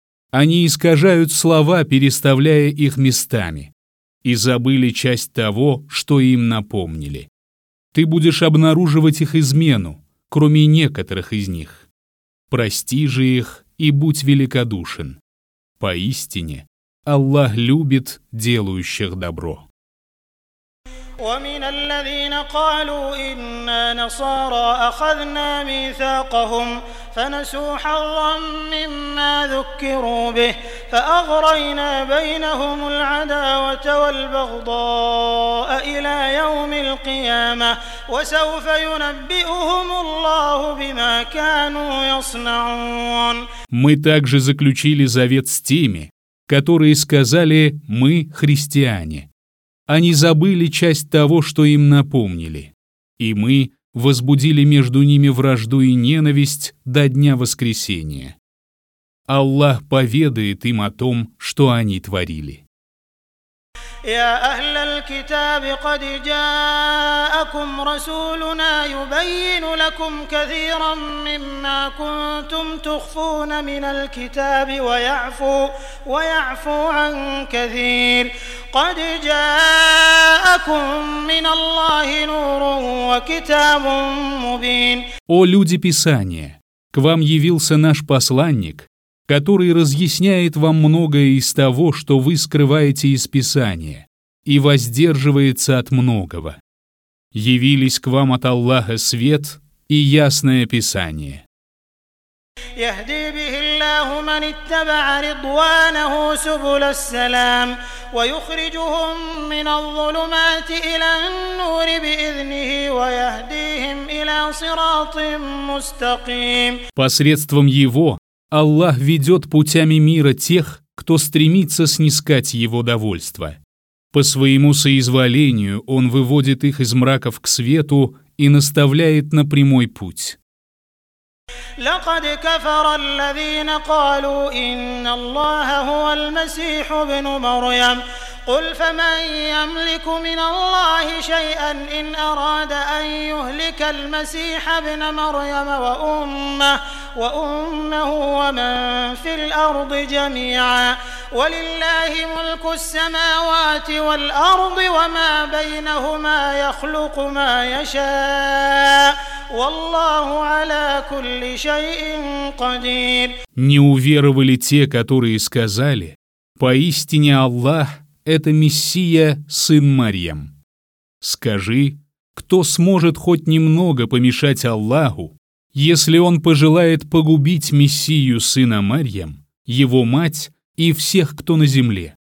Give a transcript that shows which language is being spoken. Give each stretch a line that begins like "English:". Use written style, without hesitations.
Russian: Они искажают слова, переставляя их местами, и забыли часть того, что им напомнили. Ты будешь обнаруживать их измену, кроме некоторых из них. Прости же их и будь великодушен. Поистине, Аллах любит делающих добро.
Arabic: ومن الذين قالوا إنا نصارى أخذنا ميثاقهم فنسوا حظا مما ذكروا به فأغرينا بينهم العداوة والبغضاء إلى يوم القيامة وسوف ينبئهم الله بما كانوا يصنعون.
Russian: Мы также заключили завет с теми, которые сказали: «Мы христиане». Они забыли часть того, что им напомнили. И мы возбудили между ними вражду и ненависть до дня воскресения. Аллах поведает им о том, что они творили.
Arabic: يا أهل الكتاب قد جاءكم رسولنا يبين لكم كثيرا مما كنتم تخفون من الكتاب ويعفو عن كثير قد جاءكم من الله نور وكتاب مبين.
Russian: О люди Писания, к вам явился наш посланник, который разъясняет вам многое из того, что вы скрываете из Писания, и воздерживается от многого. Явились к вам от Аллаха свет и ясное Писание.
Arabic: يهدي به الله من اتبع رضوانه سبل السلام ويخرجهم من الظلمات إلى النور بإذنه ويهديهم إلى صراط مستقيم.
Russian: Посредством его Аллах ведет путями мира тех, кто стремится снискать его довольство. По своему соизволению он выводит их из мраков к свету и наставляет на прямой путь.
Arabic: لقد كفر الذين قالوا إن الله هو المسيح ابن مريم قل فمن يملك من الله شيئا إن أراد أن يهلك المسيح ابن مريم وأمه ومن في الأرض جميعا ولله ملك السماوات والأرض وما بينهما يخلق ما يشاء والله على كل شيء قدير.
Russian: Не уверовали те, которые сказали: «Поистине Аллах — это Мессия, сын Марьям». Скажи, кто сможет хоть немного помешать Аллаху, если он пожелает погубить Мессию, сына Марьям, его мать и всех, кто на земле?